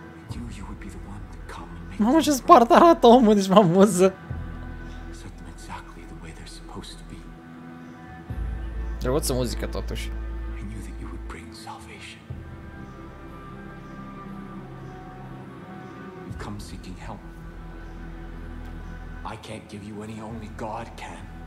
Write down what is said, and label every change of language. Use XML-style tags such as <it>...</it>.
<en>I knew you would be the one to come and make.</en> <ro>Mamă, ce spart arată omul, nici m-am văză.</ro> <en>Set them exactly the way they're supposed to be.</en> <ro>Drăguță muzică, totuși.</ro> <en>I knew that you would bring salvation. You've come seeking help. I can't give you any, only God can.</en>